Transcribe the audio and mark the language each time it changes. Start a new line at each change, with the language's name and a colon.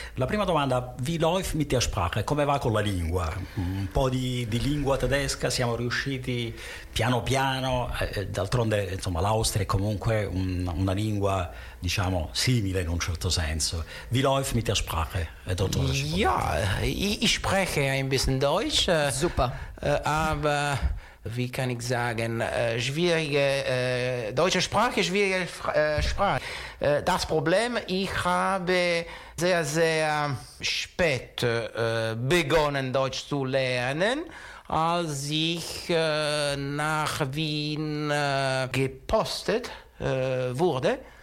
Italian: La prima domanda:
German: wie läuft mit der Sprache?
Italian: Come va con la lingua? Un po' di lingua tedesca siamo riusciti piano piano, d'altronde insomma l'Austria è comunque una lingua, diciamo, simile in un certo senso.
German: Wie läuft mit der Sprache, dottore? Ja, ich spreche ein bisschen Deutsch. Super. Aber wie kann ich sagen, schwierige deutsche Sprache, schwierige Sprache. Das Problem, ich habe sehr, sehr spät begonnen, Deutsch zu lernen, als ich nach Wien gepostet wurde.